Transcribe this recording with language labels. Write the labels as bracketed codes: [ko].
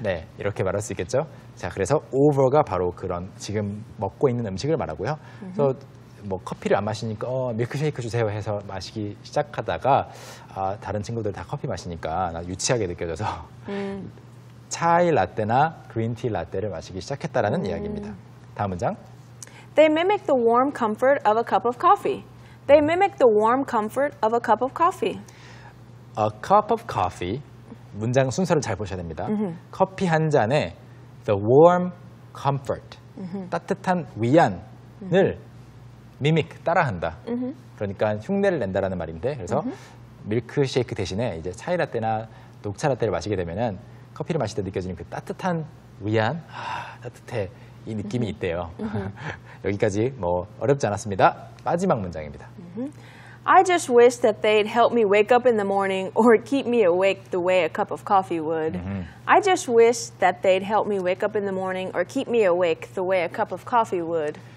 [ko] 네, 이렇게 말할 수 있겠죠. 자, 그래서 over가 바로 그런 지금 먹고 있는 음식을 말하고요. Mm-hmm. 그래서 뭐 커피를 안 마시니까 밀크쉐이크 주세요 해서 마시기 시작하다가 아, 다른 친구들 다 커피 마시니까 나 유치하게 느껴져서 차이 라떼나 그린티 라떼를 마시기 시작했다라는 이야기입니다. 다음 문장. [en] They mimic the warm comfort of a cup of coffee. They mimic the warm comfort of a cup of coffee. A cup of coffee. [ko] 문장 순서를 잘 보셔야 됩니다. Mm-hmm. 커피 한 잔에 [en] the warm comfort, [ko] mm-hmm. 따뜻한 위안을 mimic, 따라한다. Mm-hmm. 그러니까 흉내를 낸다라는 말인데 그래서 mm-hmm. 밀크쉐이크 대신에 이제 차이 라떼나 녹차 라떼를 마시게 되면은 커피를 마실 때 느껴지는 그 따뜻한 위안, 아, 따뜻해 이 느낌이 mm-hmm. 있대요. Mm-hmm. 여기까지 뭐 어렵지 않았습니다. 마지막 문장입니다. Mm-hmm. [en] I just wish that they'd help me wake up in the morning or keep me awake the way a cup of coffee would. Mm-hmm. I just wish that they'd help me wake up in the morning or keep me awake the way a cup of coffee would.